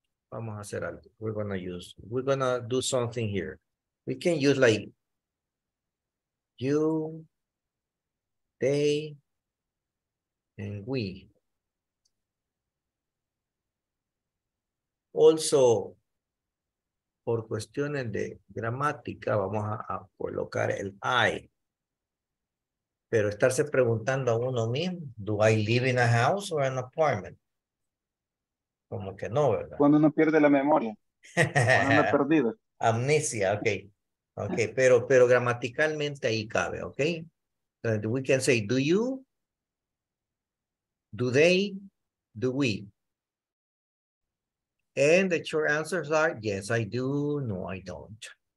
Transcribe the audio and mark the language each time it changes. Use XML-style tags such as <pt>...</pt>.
<es>Vamos a hacer algo.</es> <en>We're gonna do something here. We can use like, you, they, and we.</en> <es>Also, por cuestiones de gramática, vamos a colocar el I. Pero estarse preguntando a uno mismo,</es> <en>do I live in a house or an apartment?</en> <es>Como que no, ¿verdad? Cuando uno pierde la memoria. Cuando uno ha perdido. Amnesia, okay. Okay, pero gramaticalmente ahí cabe, okay?</es> <en>And we can say, do you, do they, do we? And the short answers are, yes, I do, no, I don't.</en>